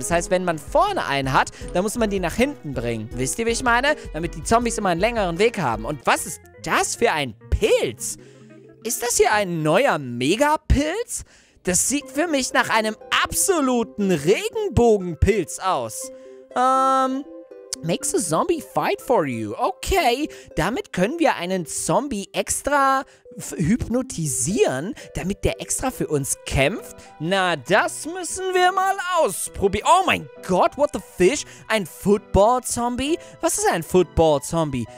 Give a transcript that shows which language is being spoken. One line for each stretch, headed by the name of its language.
German: Das heißt, wenn man vorne einen hat, dann muss man die nach hinten bringen. Wisst ihr, wie ich meine? Damit die Zombies immer einen längeren Weg haben. Und was ist das für ein Pilz? Ist das hier ein neuer Megapilz? Das sieht für mich nach einem absoluten Regenbogenpilz aus.
English: Makes a zombie fight for you.
German: Okay, damit können wir einen Zombie extra hypnotisieren, damit der extra für uns kämpft. Na, das müssen wir mal ausprobieren. Oh mein Gott,
English: what the fish?
German: Ein Football-Zombie? Was ist ein Football-Zombie?